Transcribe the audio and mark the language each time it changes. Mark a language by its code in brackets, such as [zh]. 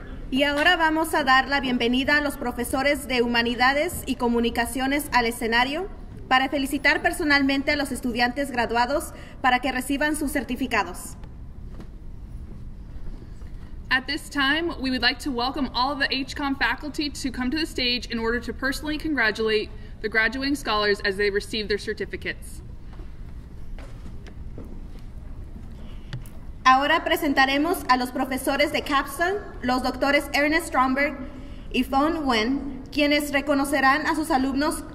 [es] Y ahora vamos a dar la bienvenida a los profesores de Humanidades y Comunicaciones al escenario para felicitar personalmente a los estudiantes graduados para que reciban sus certificados. [en] At this time, we would like to welcome all of the HCOM faculty to come to the stage in order to personally congratulate the graduating scholars as they receive their certificates. [es] Ahora presentaremos a los profesores de Capstone, los doctores Ernest Stromberg y Fong Nguyen, quienes reconocerán a sus alumnos.